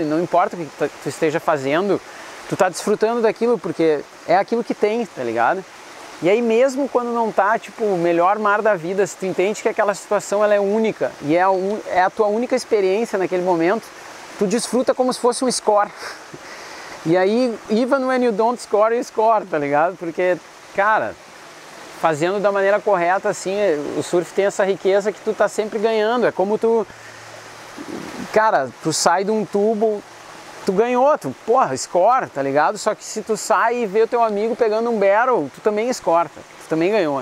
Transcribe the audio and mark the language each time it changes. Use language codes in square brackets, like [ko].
[pt] E não importa o que tu esteja fazendo, tu tá desfrutando daquilo, porque é aquilo que tem, tá ligado? E aí mesmo quando não tá, tipo, o melhor mar da vida, se tu entende que aquela situação ela é única, e é a tua única experiência naquele momento, tu desfruta como se fosse um score. E aí, [en] even when you don't score, you score, [pt] tá ligado? Porque, cara, fazendo da maneira correta, assim, o surf tem essa riqueza que tu tá sempre ganhando. É como tu, cara, tu sai de um tubo, tu ganhou, tu, porra, score, tá ligado? Só que se tu sai e vê o teu amigo pegando um barrel, tu também score, tu também ganhou.